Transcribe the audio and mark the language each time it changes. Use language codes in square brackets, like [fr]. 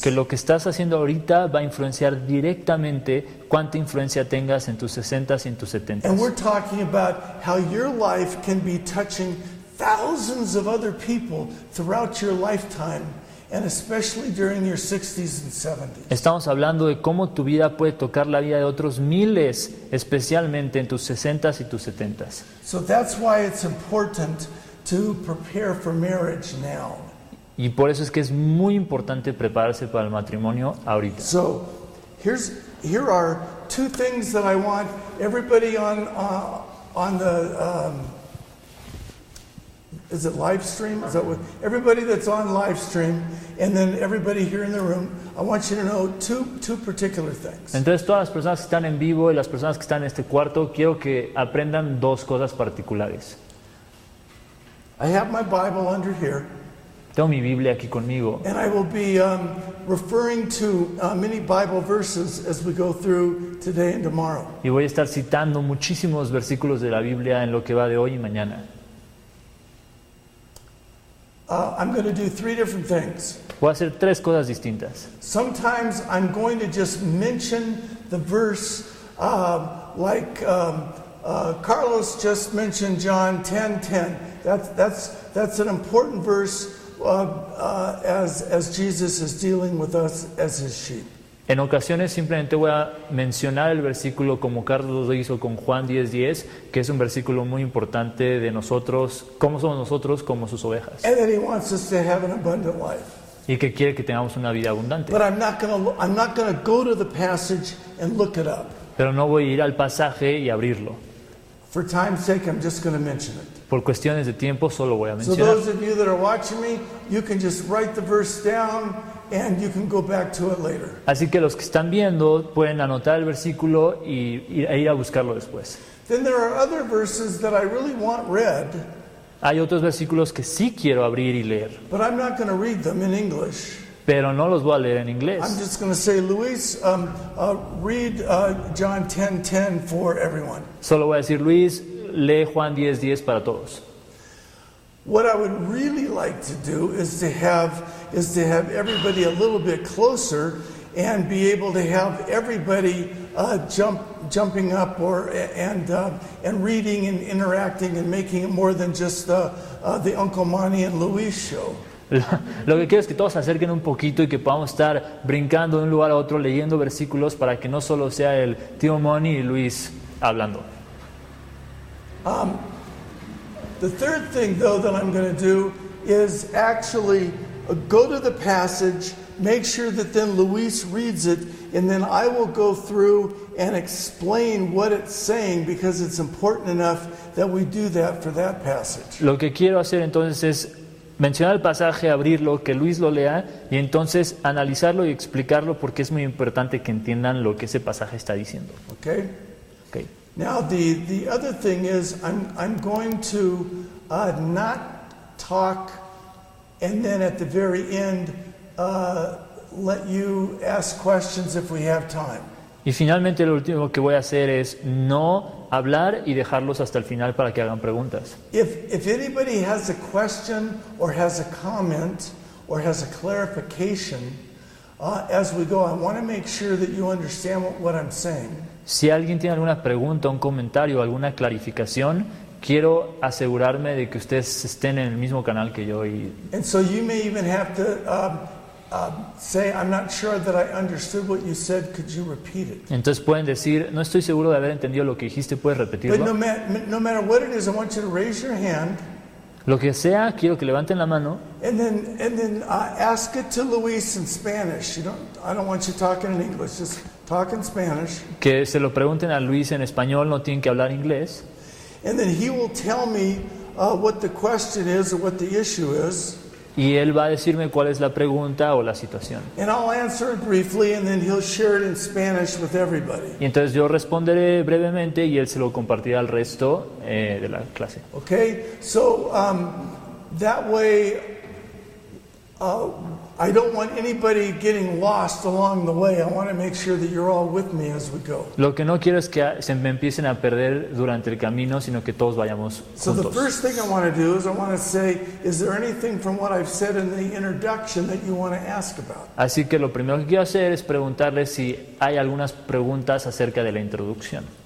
[es] Que lo que estás haciendo ahorita va a influenciar directamente cuánta influencia tengas en tus 60s y en tus 70s. [en] And we're talking about how your life can be touching thousands of other people throughout your lifetime, and especially during your 60s and 70s. [es] Estamos hablando de cómo tu vida puede tocar la vida de otros miles, especialmente en tus 60s y tus 70s. [en] So that's why it's important to prepare for marriage now. [es] Y por eso es que es muy importante prepararse para el matrimonio ahorita. [en] So, here are two things that I want everybody on the is it live stream? Is that what everybody that's on live stream and then everybody here in the room, I want you to know two particular things. [es] Entonces todas las personas que están en vivo y las personas que están en este cuarto, quiero que aprendan dos cosas particulares. [en] I have my Bible under here. [es] Tengo mi Biblia aquí conmigo. [en] And I will be referring to many Bible verses as we go through today and tomorrow. [es] Y voy a estar citando muchísimos versículos de la Biblia en lo que va de hoy y mañana. [en] I'm going to do three different things. [es] Voy a hacer tres cosas distintas. [en] Sometimes I'm going to just mention the verse Carlos just mentioned John 10:10. That's an important verse as Jesus is dealing with us as his sheep. [es] En ocasiones simplemente voy a mencionar el versículo como Carlos lo hizo con Juan 10:10, que es un versículo muy importante de nosotros, cómo somos nosotros como sus ovejas. [en] And that he wants us to have an abundant life. [es] Y que quiere que tengamos una vida abundante. [en] But I'm not gonna go to the passage and look it up. [es] Pero no voy a ir al pasaje y abrirlo. [en] For time's sake, I'm just going to mention it. [es] Por cuestiones de tiempo solo voy a mencionar. [en] So those of you that are watching me, you can just write the verse down. And you can go back to it later. [es] Así que los que están viendo pueden anotar el versículo e ir a buscarlo después. [en] Then there are other verses that I really want read. [es] Hay otros versículos que sí quiero abrir y leer. [en] But I'm not going to read them in English. [es] Pero no los voy a leer en inglés. [en] I'm just going to say, Luis, read John 10:10 for everyone. [es] Solo voy a decir, Luis, lee Juan 10:10 para todos. [en] What I would really like to do is to have everybody a little bit closer and be able to have everybody jumping up and reading and interacting and making it more than just the Uncle Monty and Luis show. [es] Lo que quiero es que todos se acerquen un poquito y que podamos estar brincando de un lugar a otro, leyendo versículos, para que no solo sea el tío Moni y Luis hablando. [en] The third thing, though, that I'm going to do is actually go to the passage, make sure that then Luis reads it, and then I will go through and explain what it's saying, because it's important enough that we do that for that passage. [es] Lo que quiero hacer entonces es mencionar el pasaje, abrirlo, que Luis lo lea, y entonces analizarlo y explicarlo, porque es muy importante que entiendan lo que ese pasaje está diciendo. [en] Okay. Okay. Now the other thing is I'm going to not talk, and then at the very end let you ask questions if we have time. [es] Y finalmente lo último que voy a hacer es no hablar y dejarlos hasta el final para que hagan preguntas. If anybody has a question or has a comment or has a clarification as we go, I want to make sure that you understand what I'm saying. Si alguien tiene alguna pregunta, un comentario, alguna clarificación, quiero asegurarme de que ustedes estén en el mismo canal que yo. Y [en] and so you may even have to say, I'm not sure that I understood what you said, could you repeat it? [es] Entonces pueden decir, no estoy seguro de haber entendido lo que dijiste, ¿puedes repetirlo? [en] But no matter what it is, I want you to raise your hand. [es] Lo que sea, quiero que levanten la mano. [en] And then ask it to Luis in Spanish. I don't want you talking in English, just talk in Spanish. [es] Que se lo pregunten a Luis en español, no tienen que hablar inglés. [en] And then he will tell me what the question is or what the issue is. [es] Y él va a decirme cuál es la pregunta o la situación. [en] And I'll answer it briefly, and then he'll share it in Spanish with everybody. [es] Y entonces yo responderé brevemente y él se lo compartirá al resto de la clase. [en] Okay, so that way I don't want anybody getting lost along the way. I want to make sure that you're all with me as we go. [es] Lo que no quiero es que se me empiecen a perder durante el camino, sino que todos vayamos juntos. [en] So the first thing I want to do is I want to say, is there anything from what I've said in the introduction that you want to ask about? [es] Así que lo primero que quiero hacer es preguntarles si hay algunas preguntas acerca de la introducción.